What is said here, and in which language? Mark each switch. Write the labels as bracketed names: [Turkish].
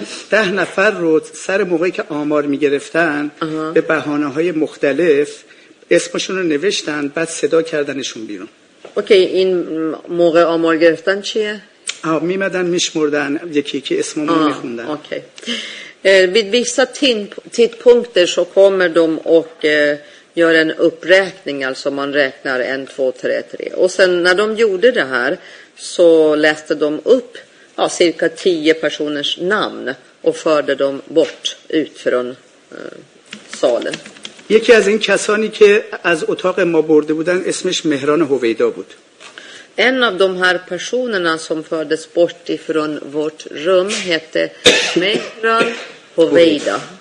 [Persian] 10 نفر رو سر موقعی که آمار میگرفتن به بهانه های مختلف اسمشون رو نوشتن بعد صدا کردنشون بیرون. اوکی این موقع آمار گرفتن چیه؟ میمدن میشمردن یکی یکی اسمو میخوندن. اوکی. [Swedish] Vid vissa tidpunkter så kommer de och gör en uppräkning alltså man räknar 1 2 3 3. Och sen när de gjorde det här så läste de upp cirka 10 personers namn och förde dem bort ut från salen. [Persian] یکی از این کسانی که از اتاق ما برده بودن اسمش مهران هویدا بود. [Swedish] En av de här personerna som fördes bort ifrån vårt rum hette Mehran Hoveida.